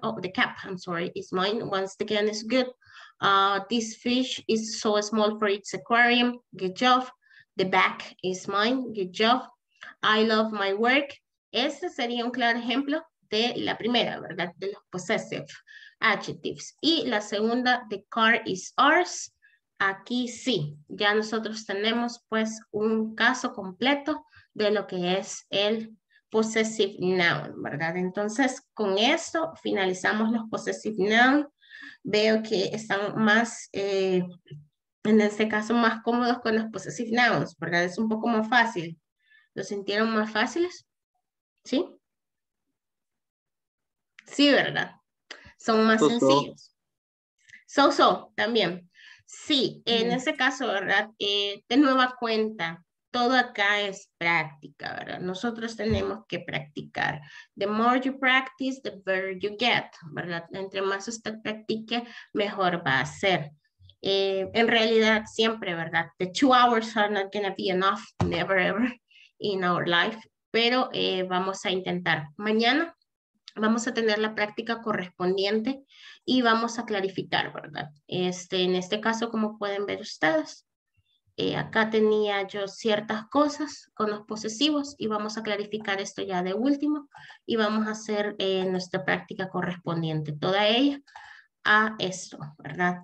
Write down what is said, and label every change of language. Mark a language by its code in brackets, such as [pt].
[en] Oh, the cap, I'm sorry, is mine once again, is good. This fish is so small for its aquarium. Good job. The back is mine. Good job. I love my work. [es] Este sería un claro ejemplo de la primera, ¿verdad? De los possessive adjectives. Y la segunda, [en] the car is ours. [es] Aquí sí, ya nosotros tenemos pues un caso completo de lo que es el possessive noun, ¿verdad? Entonces, con esto finalizamos los possessive noun. Veo que están más, en este caso, más cómodos con los possessive nouns, ¿verdad? Es un poco más fácil. ¿Lo sintieron más fáciles? ¿Sí? Sí, ¿verdad? Son más sencillos. So-so, también. Sí, en ese caso, ¿verdad? De nueva cuenta, todo acá es práctica, ¿verdad? Nosotros tenemos que practicar. [en] The more you practice, the better you get, [es] ¿verdad? Entre más usted practique, mejor va a ser. En realidad, siempre, ¿verdad? [en] The 2 hours are not going to be enough, never ever in our life. [es] Pero vamos a intentar. Mañana vamos a tener la práctica correspondiente y vamos a clarificar, ¿verdad? En este caso, como pueden ver ustedes, acá tenía yo ciertas cosas con los posesivos y vamos a clarificar esto ya de último y vamos a hacer nuestra práctica correspondiente, toda ella, a esto, ¿verdad?